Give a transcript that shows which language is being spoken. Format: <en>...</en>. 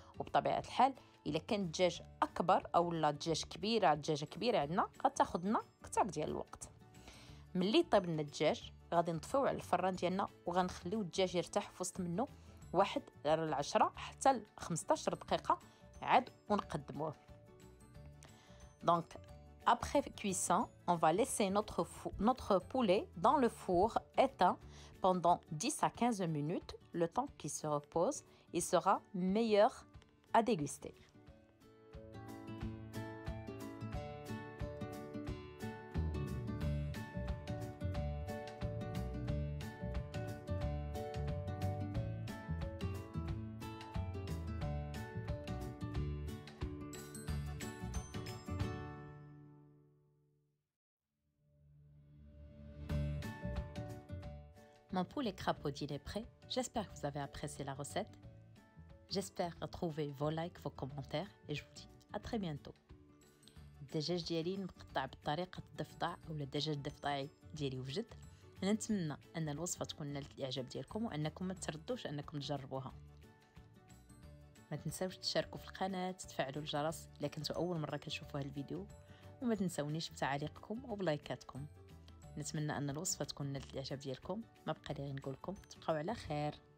<ar>وبطبيعه الحال الا كان الدجاج اكبر او لا دجاج كبيره، الدجاجه كبيره عندنا غتاخذ لنا كثر ديال الوقت. ملي يطيب لنا الدجاج غادي نطفيو على الفران ديالنا، وغنخليو الدجاج يرتاح في وسط منه واحد 10 حتى 15 دقيقه عاد ونقدموه.</ar> <fr>Donc après cuisson, on va laisser notre poulet dans le four éteint pendant 10 à 15 minutes, le temps qu'il se repose, il sera meilleur à déguster. Mon poulet crapaudine est prêt. J'espère que vous avez apprécié la recette. J'espère retrouver vos likes, vos commentaires et je vous dis à très bientôt.</fr> <ar>الدجاج ديالي مقطع بطريقة الضفدع أو الدجاج الضفدعي ديالي وجد. نتمنى أن الوصفة تكون نالت الإعجاب ديالكم وأنكم ما تردوش أنكم تجربوها. ما تنسوش تشاركوا في القناة، تفعلوا الجرس إذا كنتوا أول مرة كتشوفوا هالفيديو، وما تنسونيش بتعليقكم وبلايكاتكم. نتمنى أن الوصفة تكون نالت الإعجاب ديالكم. ما بقى لي غير نقولكم تبقوا على خير.</ar>